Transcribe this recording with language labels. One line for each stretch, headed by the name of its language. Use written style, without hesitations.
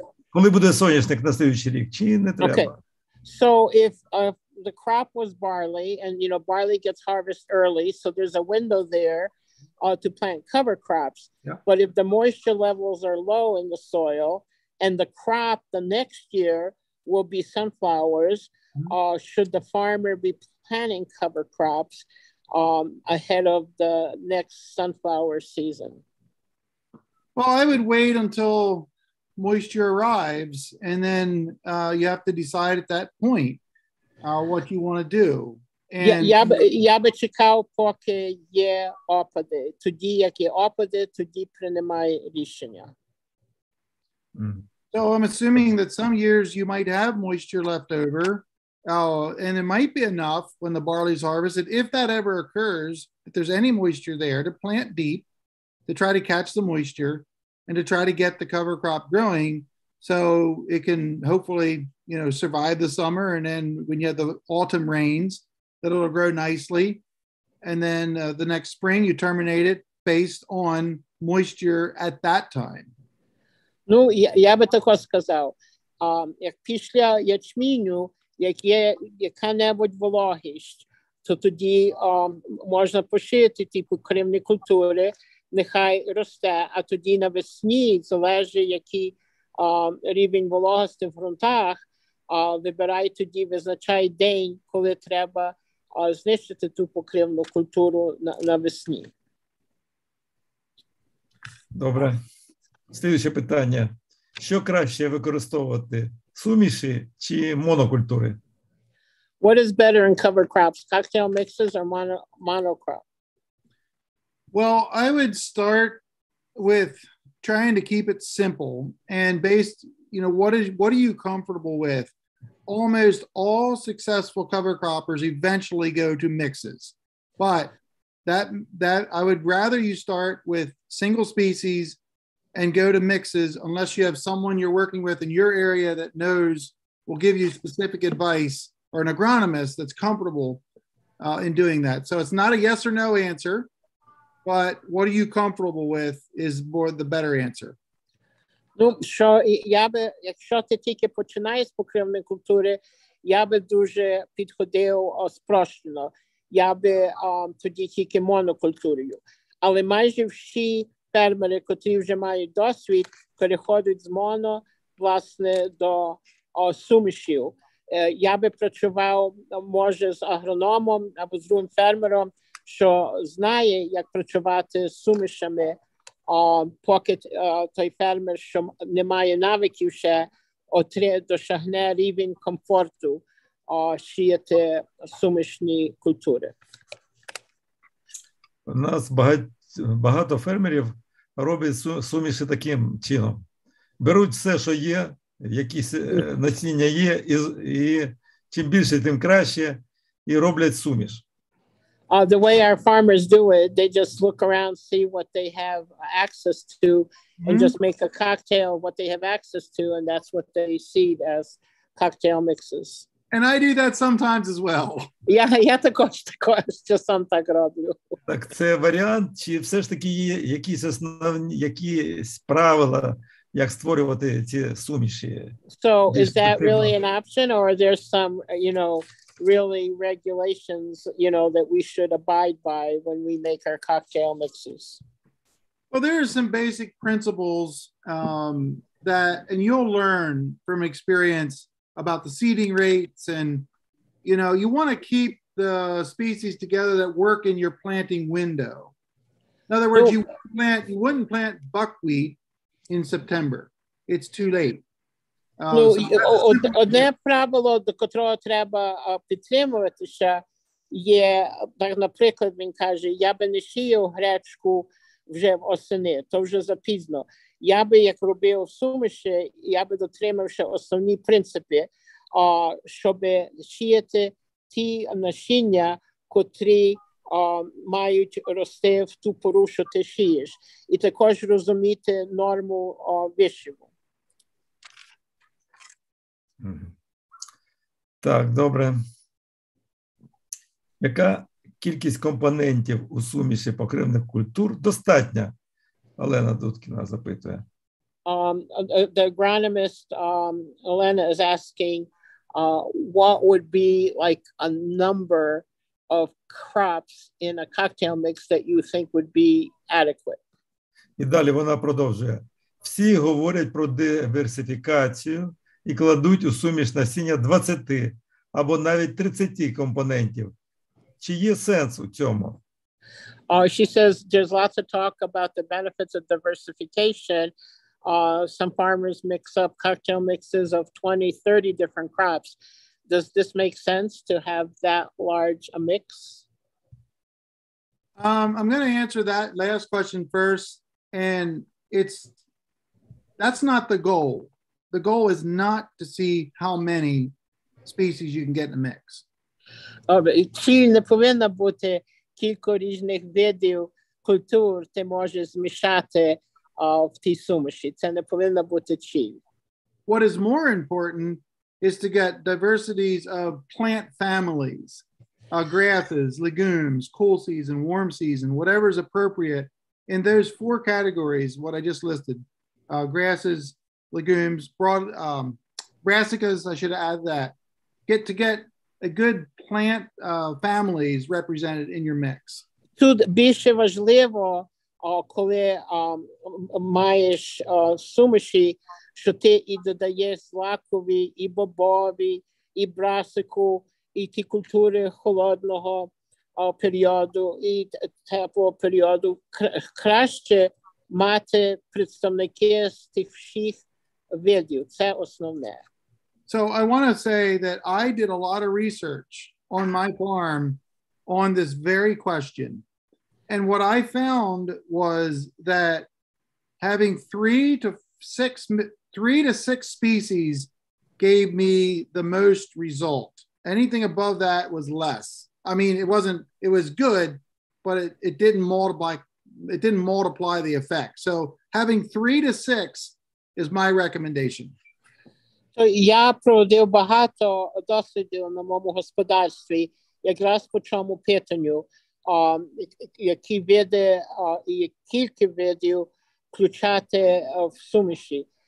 Ukrainian: Коли буде соняшник на слідуючий рік, чи не треба?
English: Okay. So if the crop was barley, and you know, barley gets harvested early, so there's a window there to plant cover crops. Yeah. But if the moisture levels are low in the soil, and the crop the next year will be sunflowers, should the farmer be planting cover crops ahead of the next sunflower season? Well, I would wait until moisture arrives, and then you have to decide at that point what you want to do. And
Ukrainian: я би чекав, поки є опади. Тоді, як є опади, тоді приймай рішення.
English: So I'm assuming that some years you might have moisture left over, and it might be enough when the barley's harvested, if that ever occurs, if there's any moisture there, to plant deep, to try to catch the moisture, and to try to get the cover crop growing so it can hopefully, you know, survive the summer. And then when you have the autumn rains, that it'll grow nicely. And then the next spring, you terminate it based on moisture at that time.
Ukrainian: Ну, я би тако сказав. Як після ячменю, як є яка-небудь вологість, то тоді можна посіяти ті покривні культури, нехай росте, а тоді навесні, залежить, який рівень вологості в ґрунтах, вибирай тоді, визначай день, коли треба знищити ту покривну культуру навесні. Добре. Слідуюче питання. Що краще використовувати, суміші чи монокультури?
English: What is better in cover crops, cocktail mixes or monocrop? Well, I would start with trying to keep it simple and based, you know, what are you comfortable with? Almost all successful cover croppers eventually go to mixes. But that I would rather you start with single species and go to mixes unless you have someone you're working with in your area that knows, will give you specific advice, or an agronomist that's comfortable in doing that. So it's not a yes or no answer, but what are you comfortable with is more the better answer.
Ukrainian: Ну, що я би, якщо ти тільки починаєш з покривної культури, я би дуже підходив спрощено. Я би тоді тільки монокультурою. Але майже всі фермери, котрі вже мають досвід, переходять з моно, власне, до сумішів. Я би працював, може, з агрономом або з другим фермером, що знає, як працювати з сумішами, поки той фермер, що не має навиків ще, досягне рівень комфорту сіяти сумішні культури. У нас багато фермерів роблять суміші таким чином. Беруть все, що є, якісь насіння є, і чим більше, тим краще, і роблять суміш.
English: The way our farmers do it, they just look around, see what they have access to, and just make a cocktail of what they have access to, and that's what they seed as cocktail mixes. And I do that sometimes as well. Yeah,
Ukrainian: я також
English: just sometimes
Ukrainian: роблю. Так це варіант, чи все ж таки є якісь основні, якісь правила, як створювати ці суміші?
English: So is that really an option, or are there some, you know, really regulations, you know, that we should abide by when we make our cocktail mixes? Well, there are some basic principles that, and you'll learn from experience about the seeding rates, and, you know, you want to keep the species together that work in your planting window. In other words, you wouldn't plant buckwheat in September. It's too late.
Ukrainian: Ну, одне правило, до котрого треба підтримуватися, є, так, наприклад, він каже, я би не сіяв гречку вже в осені, то вже запізно. Я би, як робив суміші, я би дотримався основні принципи, щоб сіяти ті насіння, котрі мають рости в ту пору, що ти сієш. І також розуміти норму вишиву. Так, добре. Яка кількість компонентів у суміші покривних культур достатня? Олена Дудкіна запитує.
English: The agronomist Олена is asking what would be like a number of crops in a cocktail mix that you think would be adequate.
Ukrainian: І далі вона продовжує. Всі говорять про диверсифікацію і кладуть у суміш насіння 20 або навіть 30 компонентів. Чи є сенс у цьому?
English: She says there's lots of talk about the benefits of diversification. Some farmers mix up cocktail mixes of 20-30 different crops. Does this make sense to have that large a mix? I'm going to answer that last question first, and that's not the goal. The goal is not to see how many species you can get in the mix.
Ukrainian: Чи не повинно бути кілька різних видів культур, ти можеш змішати в тій суміші. Це не повинно бути чи.
English: What is more important is to get diversities of plant families, grasses, legumes, cool season, warm season, whatever is appropriate in those four categories, what I just listed, grasses, legumes, brassicas, I should add that, get a good plant families represented in your mix.
Ukrainian: Тут більше важливо, коли маєш суміші, що ти і додаєш злакові, і бобові, і брасику, і ті культури холодного періоду, і теплого періоду. Краще мати представники з тих всіх видів. Це основне.
English: So I want to say that I did a lot of research on my farm on this very question. And what I found was that having three to six species gave me the most result. Anything above that was less. I mean, it was good, but it didn't multiply the effect. So Having 3 to 6 is my recommendation.
Ukrainian: So я проводив багато досвідів на моєму господарстві, якраз по цьому питанню, які види і кілька видів включати в суміші.